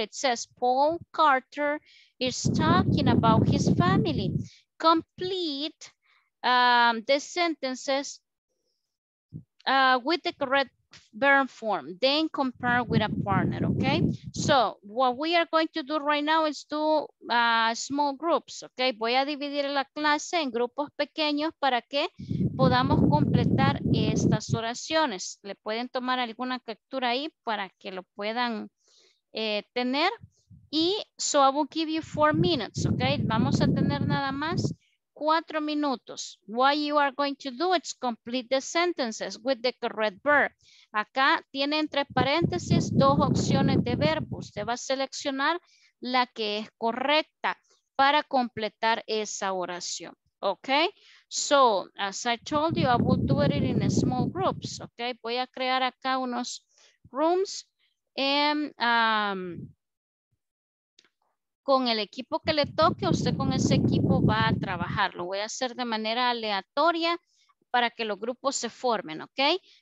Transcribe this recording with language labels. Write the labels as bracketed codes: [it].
[en] It says, Paul Carter is talking about his family. Complete the sentences with the correct verb form, then compare with a partner, okay? So what we are going to do right now is do small groups, okay? [es] Voy a dividir la clase en grupos pequeños para que podamos completar estas oraciones. Le pueden tomar alguna captura ahí para que lo puedan tener. [en] Y so I will give you 4 minutes, okay? [es] Vamos a tener nada más 4 minutos. [en] What you are going to do is complete the sentences with the correct verb. [es] Acá tiene entre paréntesis 2 opciones de verbo. Usted va a seleccionar la que es correcta para completar esa oración. Okay? [en] So, as I told you, I will do it in small groups. Okay? [es] Voy a crear acá unos rooms con el equipo que le toque, usted con ese equipo va a trabajar. Lo voy a hacer de manera aleatoria para que los grupos se formen, ¿ok?